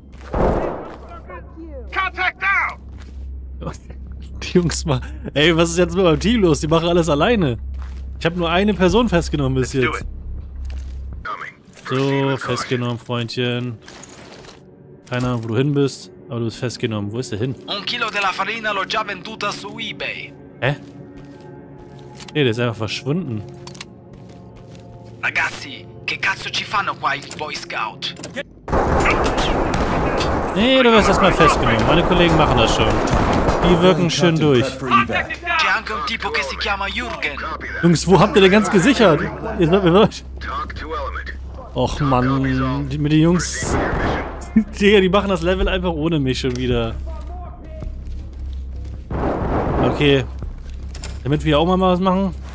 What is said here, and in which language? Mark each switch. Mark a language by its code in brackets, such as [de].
[en] Contact down! [de] Die Jungs mal. Ey, was ist jetzt mit meinem Team los? Die machen alles alleine. Ich habe nur eine Person festgenommen bis jetzt. So, festgenommen, Freundchen. Keine Ahnung, wo du hin bist, aber du bist festgenommen. Wo ist der hin? [it] Un kilo della farina l'ho già venduta su eBay. [de] Hä? Nee, der ist einfach verschwunden. [it] Ragazzi, che cazzo ci fanno qua i Boy Scout? [de] Nee, du wirst erstmal festgenommen. Meine Kollegen machen das schon. Die wirken schön durch. [it] C'è anche un tipo che si chiama Jürgen. [de] Jungs, wo habt ihr denn ganz gesichert? Ihr seid mir wirklich. Och Mann, mit den Jungs. Digga, die machen das Level einfach ohne mich schon wieder. Okay. Damit wir auch mal was machen.